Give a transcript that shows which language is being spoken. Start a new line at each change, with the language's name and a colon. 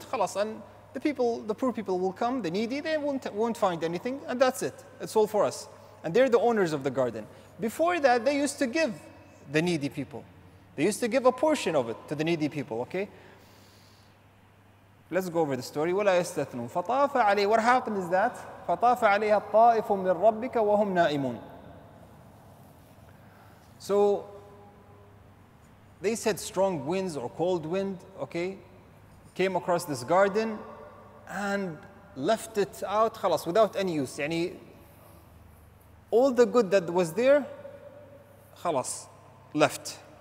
English: خلاص, and the people, the poor people will come, the needy, they won't find anything, and that's it. It's all for us. And they're the owners of the garden. Before that, they used to give the needy people. They used to give a portion of it to the needy people, okay? Let's go over the story.
Arabic: وَلَا يَسْتَثْنُونَ فَطَافَ عَلَيْهِ.
English: What happened is that,
Arabic: فَطَافَ عَلَيْهَا الطَّائِفٌ مِّن رَبِّكَ وَهُمْ نَائِمُونَ.
English: So, they said strong winds or cold wind, okay, came across this garden and left it out, خلاص, without any use. يعني, all the good that was there, خلاص, left.